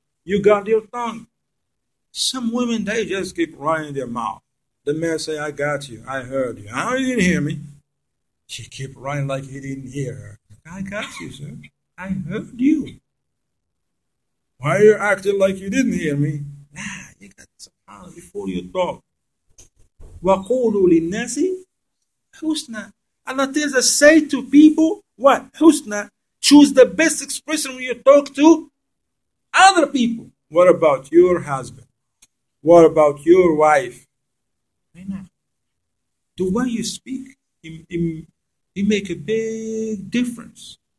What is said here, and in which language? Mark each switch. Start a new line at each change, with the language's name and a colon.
English: You guard your tongue. Some women, they just keep running their mouth. The man say, I got you. I heard you. How, you didn't hear me? She keep running like he didn't hear her. I got you, sir. I heard you. Why are you acting like you didn't hear me? Nah, you got some power before you talk.
Arabic: وَقُولُوا لِلنَّاسِ Husna.
English: Allah tells us, say to people, what? Husna. Choose the best expression when you talk to other people. What about your husband? What about your wife? The way you speak, it make a big difference.